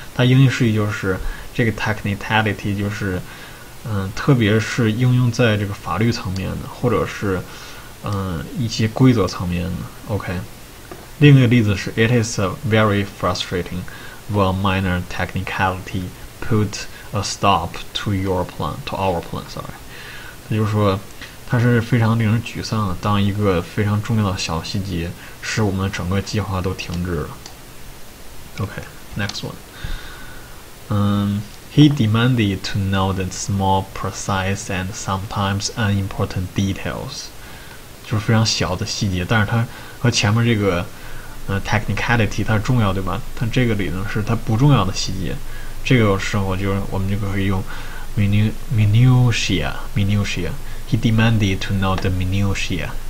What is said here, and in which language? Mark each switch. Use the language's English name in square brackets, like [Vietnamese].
[Chinese] 它英语释义就是，这个 technicality 就是，特别是应用在这个法律层面的，或者是，一些规则层面的。Okay. [English] 另一个例子是 It is very frustrating when minor technicality put a stop to your plan, to our plan, sorry. [Chinese] 他就是说他是非常令人沮丧的，当一个非常重要的小细节使我们整个计划都停滞了。 [English] Okay, next one. He demanded to know the small, precise, and sometimes unimportant details. [Chinese] 就是非常小的细节，但是他和前面这个technicality 它重要，对吧？但这个里呢是它不重要的细节，这个时候就是我们就可以用 minutia he demanded to know the minutia.